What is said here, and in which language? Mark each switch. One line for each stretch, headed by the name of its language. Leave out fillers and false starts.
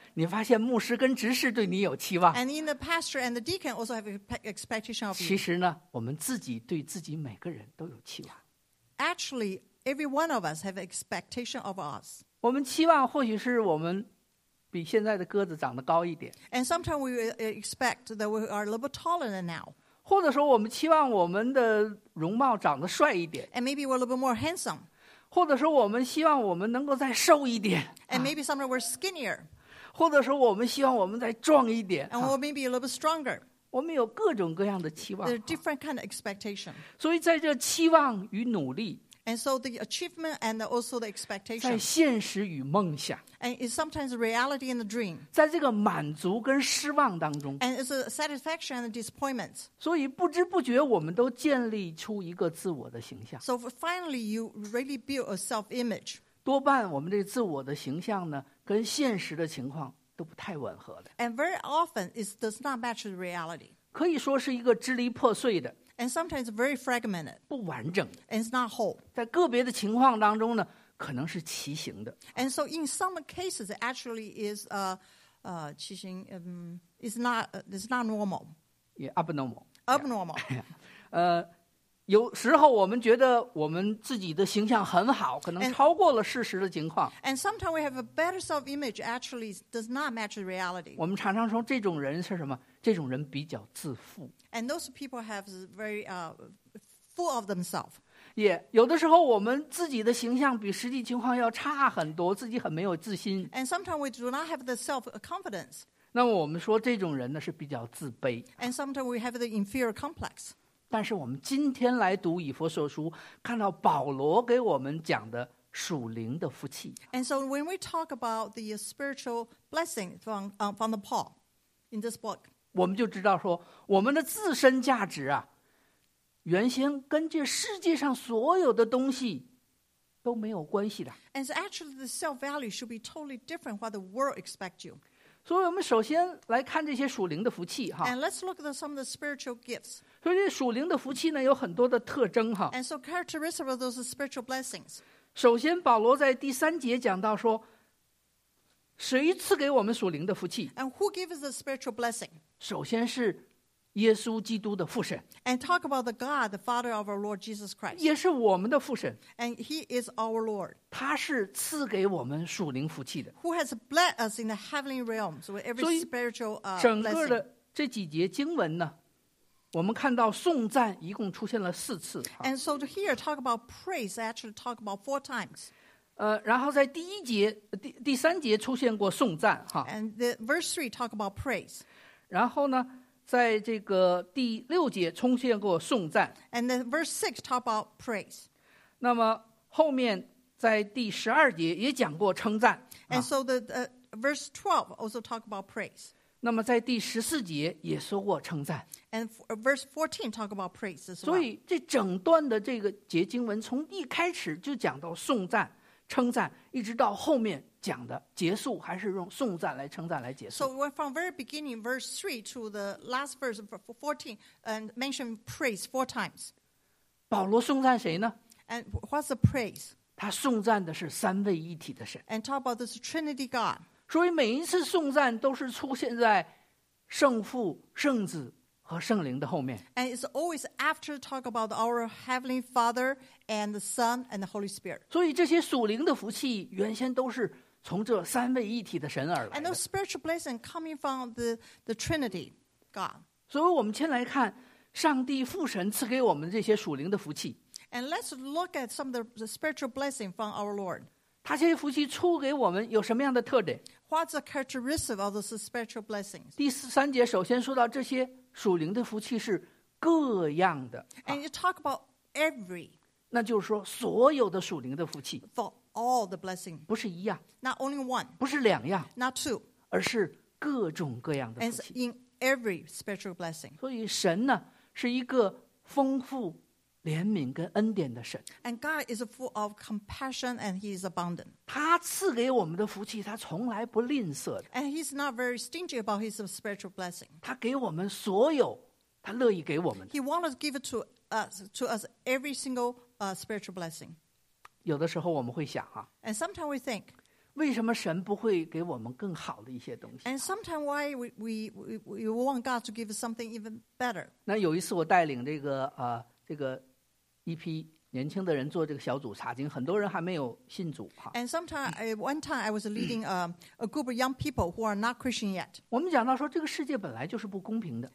Chinese: 你发现牧师跟执事对你有期望
English: and in the pastor and the deacon also have expectation of you
Chinese: 其实呢我们自己对自己每个人都有期望
English: actually every one of us have expectation of us
Chinese: 我们期望或许是我们比现在的个子长得高一点
English: and sometimes we expect that we are a little bit taller than now
Chinese: 或者说我们期望我们的容貌长得帅一点
English: and maybe we're a little bit more handsome
Chinese: 或者说我们希望我们能够再瘦一点
English: and maybe sometimes we're skinnier
Chinese: 或者说我们希望我们再壮一点
English: and we're maybe a little bit stronger
Chinese: 我们有各种各样的期望
English: there are different kind of expectations
Chinese: 所以在这期望与努力
English: And so the achievement and also the expectation.
Chinese: 在现实与梦想。
English: And it's sometimes reality and the dream.
Chinese: 在这个满足跟失望当中。
English: And it's a satisfaction and a disappointment.
Chinese: 所以不知不觉我们都建立出一个自我的形象。
English: So finally you really build a self-image.
Chinese: 多半我们这自我的形象呢跟现实的情况都不太吻合的。
English: And very often it does not match the reality.
Chinese: 可以说是一个支离破碎的。
English: And sometimes very fragmented.
Chinese: 不完整。
English: And it's not whole.
Chinese: 在个别的情况当中呢，可能是畸形的。
English: And so in some cases, it actually is
Chinese: 畸形
English: it's not normal. Yeah, abnormal. Abnormal. Yeah.
Chinese: 有时候我们觉得我们自己的形象很好，可能超过了事实的情况。
English: And sometimes we have a better self-image actually does not match the reality.
Chinese: 我们常常说这种人是什么？这种人比较自负。
English: And those people have very full of themselves.
Chinese: Yeah, 有的时候我们自己的形象比实际情况要差很多，自己很没有自信。
English: And sometimes we do not have the self-confidence.
Chinese: 那么我们说这种人呢是比较自卑。
English: And sometimes we have the inferior complex.
Chinese: 但是我们今天来读以弗所书，看到保罗给我们讲的属灵的福气。
English: And so when we talk about the spiritual blessing from the Paul in this book,
Chinese: 我们就知道说，我们的自身价值啊，原先跟这世界上所有的东西都没有关系的。
English: And so actually the self-value should be totally different from what the world expects you.
Chinese: 所以我们首先来看这些属灵的福气哈。
English: And let's look at some of the spiritual gifts.
Chinese: 所以属灵的福气呢有很多的特征哈。
English: And so characteristics of those spiritual blessings.
Chinese: 首先保罗在第三节讲到说谁赐给我们属灵的福气
English: And who gives the spiritual blessing?
Chinese: 首先是耶稣基督的父神。
English: And talk about the God, the Father of our Lord Jesus Christ.
Chinese: 也是我们的父神。
English: And he is our Lord.
Chinese: 他是赐给我们属灵福气的。
English: Who has blessed us in the heavenly realms with every spiritual blessing.
Chinese: 整个的这几节经文呢我们看到颂赞一共出现了四次。
English: And so to hear talk about praise, actually talk about four times.
Chinese: 然后在第一节 第三节出现过颂赞。
English: And the verse three talk about praise.
Chinese: 然后呢在这个第六节出现过颂赞。
English: And the verse six talk about praise.
Chinese: 那么后面在第十二节也讲过称赞。
English: And so the verse 12 also talk about praise.
Chinese: 那么在第十四节也说过称赞。
English: And verse 14 talk about praise as well.
Chinese: 所以这整段的这个节经文从一开始就讲到颂赞、称赞，一直到后面讲的结束，还是用颂赞来称赞来结束。
English: So we're from very beginning, verse 3 to the last verse, 14, and mention praise four times.
Chinese: 保罗颂赞谁呢？
English: And what's the praise?
Chinese: 他颂赞的是三位一体的神。
English: And talk about this Trinity God.
Chinese: 所以每一次颂赞都是出现在圣父、圣子和圣灵的后面。
English: And it's always after talk about our Heavenly Father and the Son and the Holy Spirit.
Chinese: 所以这些属灵的福气原先都是从这三位一体的神而来的。
English: And those spiritual blessings coming from the Trinity, God.
Chinese: 所以我们先来看上帝父神赐给我们这些属灵的福气。
English: And let's look at some of the spiritual blessings from our Lord.
Chinese: 他这些福气出给我们有什么样的特点？
English: What's the characteristic of those spiritual blessings?
Chinese: 第三节首先说到这些属灵的福气是各样的。
English: And you talk about every.
Chinese: 那就是说所有的属灵的福气。
English: For all the blessings.
Chinese: 不是一样。
English: Not only one.
Chinese: 不是两样。
English: Not two.
Chinese: 而是各种各样的福气。
English: And in every spiritual blessing.
Chinese: 所以神呢是一个丰富怜悯跟恩典的神。
English: And God is full of compassion and he is abundant.
Chinese: 他赐给我们的福气他从来不吝啬的。
English: And he's not very stingy about his spiritual blessing.
Chinese: 他给我们所有他乐意给我们的。
English: He wants to give it to us every single spiritual blessing.
Chinese: 有的时候我们会想啊，
English: And sometimes we think,
Chinese: 为什么神不会给我们更好的一些东西、啊、
English: And sometimes why we want God to give something even better.
Chinese: 那有一次我带领这个这个一批年轻的人做这个小组查经，很多人还没有信主哈。
English: And sometimes, one time, I was leading a group of young people who are not Christian yet.
Chinese: 我们讲到说，这个世界本来就是不公平的。